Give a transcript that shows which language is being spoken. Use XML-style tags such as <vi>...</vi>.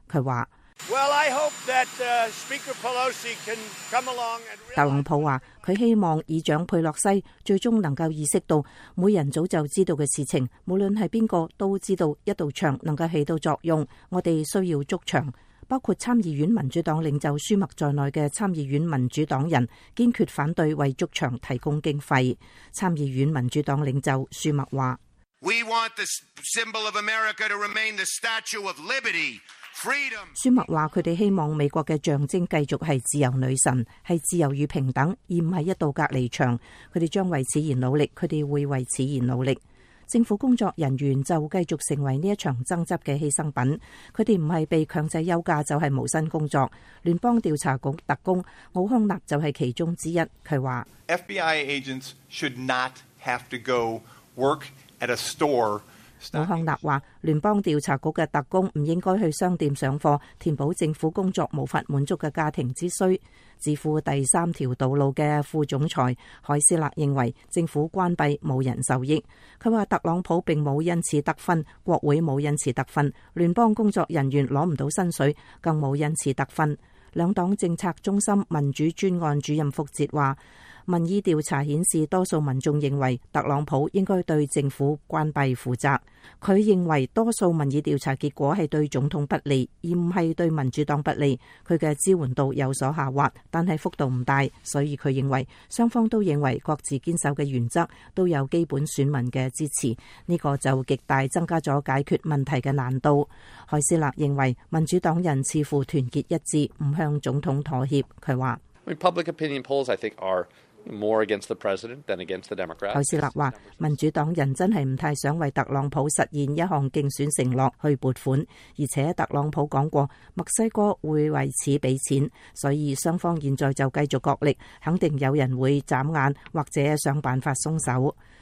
<zh>他说，特朗普说，他希望议长佩洛西最终能够意识到，每人早就知道的事情，无论是谁都知道一道墙能够起到作用，我们需要筑墙。包括参议院民主党领袖舒默在内的参议院民主党人坚决反对为筑墙提供经费。参议院民主党领袖舒默说，</zh> <en>We want the symbol of America to remain the statue of liberty.</en> <zh>舒默说，他们希望美国的象征继续是自由女神，是自由与平等，而不是一道隔离墙。他们将为此而努力，他们会为此而努力。政府工作人员就继续成为这场争执的牺牲品，他们不是被强制休假就是无薪工作。联邦调查局特工奥康纳就是其中之一。他说，</zh> <en>FBI agents should not have to go work at a store。</en> <zh>奥康纳说，联邦调查局的特工不应该去商店上课，填补政府工作无法满足的家庭之需。致富第三条道路的副总裁海斯勒认为，政府关闭无人受益。他说，特朗普并没有因此得分，国会没有因此得分，联邦工作人员拿不到薪水，更没有因此得分。两党政策中心民主专案主任福哲说，民意调查显示，多数民众认为特朗普应该对政府关闭负责。他认为多数民意调查结果是对总统不利，而不是对民主党不利。他的支援度有所下滑，但是幅度不大，所以他认为双方都认为各自坚守的原则都有基本选民的支持，这个就极大增加了解决问题的难度。海斯勒认为民主党人似乎团结一致，不向总统妥协。他说</zh> <en>Public opinion polls, I think, are more against the president than against the Democrats.</en> <zh>海斯勒说，民主党人真的不太想为特朗普实现一项竞选承诺去拨款，而且特朗普说过墨西哥会为此给钱，所以双方现在就继续角力，肯定有人会眨眼或者想办法松手。</zh>